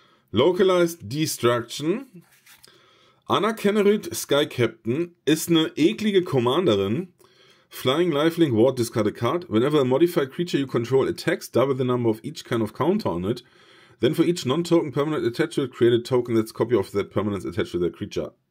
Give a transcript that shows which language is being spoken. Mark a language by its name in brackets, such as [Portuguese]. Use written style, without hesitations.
[English] Localized Destruction. [German] Anna Kennerith, Sky Captain, ist eine eklige Commanderin. [English] Flying Lifelink, Ward, discard a card. Whenever a modified creature you control attacks, double the number of each kind of counter on it. Then for each non-token permanent attached to it, create a token that's a copy of that permanent attached to that creature.